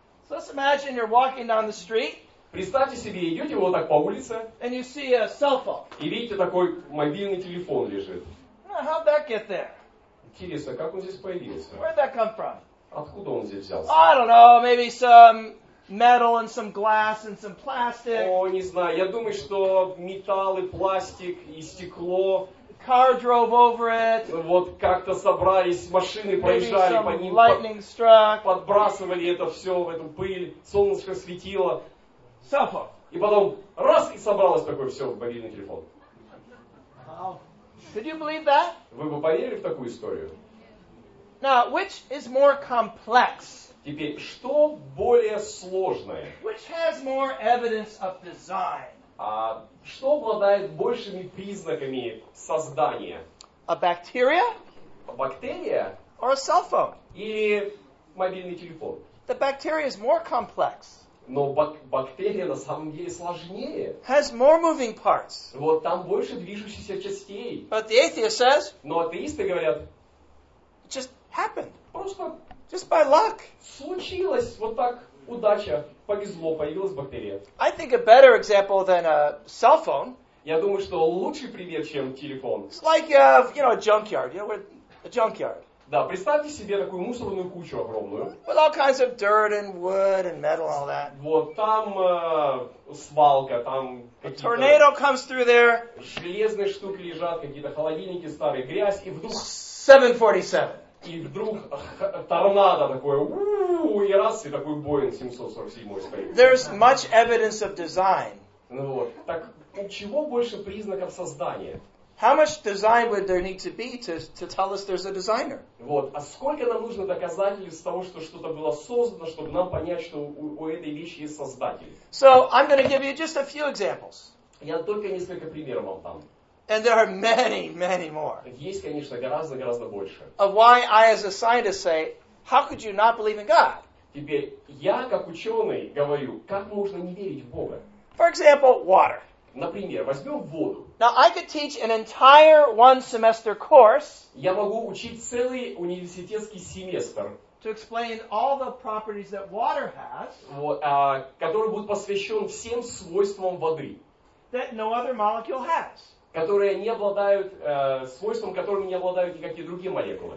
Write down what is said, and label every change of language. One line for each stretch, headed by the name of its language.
English: So let's imagine you're walking down the street.
Russian: Представьте себе, идете вот так по улице.
English: And you see a cell phone.
Russian: И видите, такой мобильный телефон лежит.
English: How'd that get there?
Russian: Интересно, как он здесь появился?
English: Where'd that come from?
Russian: Откуда он здесь взялся?
English: I don't know, maybe some metal and some glass and some plastic.
Russian: О, не знаю, я думаю, что металл и пластик и стекло.
English: Car drove over it.
Russian: Вот как-то собрались, машины проезжали по ним,
English: lightning struck.
Russian: Подбрасывали это все в эту пыль, солнышко светило.
English: Suffer.
Russian: И потом раз и собралось такое все в мобильный телефон.
English: Could you believe that?
Russian: Вы бы поверили в такую историю?
English: Now, which is more complex?
Russian: Теперь, что более сложное?
English: Which has more evidence of design?
Russian: А что обладает большими признаками создания?
English: A bacteria? A bacteria? Or a cell phone?
Russian: Или мобильный телефон?
English: The bacteria is more complex.
Russian: Но бактерия на самом деле сложнее.
English: Has more moving parts.
Russian: Вот там больше движущихся частей.
English: But the atheist says,
Russian: но атеисты говорят,
English: it just happened.
Russian: Просто
English: just by luck.
Russian: Случилось вот так. Удача, повезло, появилась бактерия.
English: I think a better example than a cell phone.
Russian: Я думаю, что лучший пример, чем телефон.
English: It's like you have, you know, a junkyard. You know, a junkyard.
Russian: Да, представьте себе такую мусорную кучу огромную.
English: With all kinds of dirt and wood and metal and all that.
Russian: Вот там свалка, там какие-то.
English: A tornado comes through there.
Russian: Железные штуки лежат, какие-то холодильники старые, грязь и вдруг.
English: 747.
Russian: И вдруг торнадо такое, и раз, и такой Боинг 747 стоит.
English: There's much evidence of design.
Russian: Ну вот, так у чего больше признаков создания?
English: How much design would there need to be to tell us there's a designer?
Russian: Вот, а сколько нам нужно доказательств того, что что-то было создано, чтобы нам понять, что у этой вещи есть создатель?
English: So, I'm going to give you just a few examples.
Russian: Я только несколько примеров вам дам.
English: And there are many, many more.
Russian: Есть, конечно, гораздо, гораздо больше.
English: Of why I, as a scientist, say, how could you not believe in God?
Russian: Теперь я, как ученый, говорю, как можно не верить в Бога?
English: For example, water.
Russian: Например, возьмем воду.
English: Now I could teach an entire one semester course.
Russian: Я могу учить целый университетский семестр.
English: To explain all the properties that water has.
Russian: Который будет посвящен всем свойствам воды.
English: That no other molecule has.
Russian: Которые не обладают, свойством которыми не обладают никакие другие молекулы.